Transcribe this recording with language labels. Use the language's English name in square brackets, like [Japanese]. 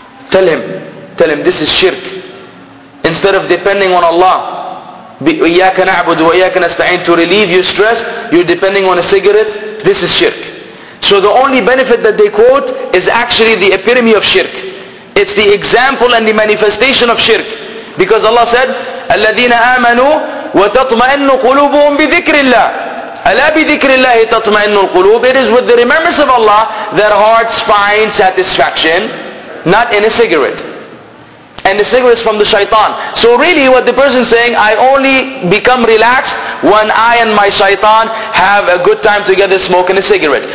[English] Tell him this is shirk. Instead of depending on Allah, [Arabic] إِيَّاكَ نَعْبُدُ وَإِيَّاكَ نَسْتَعِينَ, [English] to relieve your stress, you're depending on a cigarette, this is shirk. So the only benefit that they quote is actually the epitome of shirk. It's the example and the manifestation of shirk. Because Allah said, [Arabic] الَّذِينَ آمَنُوا وَتَطْمَئِنُّ قُلُوبُهُمْ بِذِكْرِ اللَّهِ أَلَا بِذِكْرِ اللَّهِ تَطْمَئِنُّ الْقُلُوبِ. [English] It is with the remembrance of Allah that hearts find satisfaction, not in a cigarette. And the cigarette is from the shaitan. So really what the person is saying, I only become relaxed when I and my shaitan have a good time together smoking a cigarette.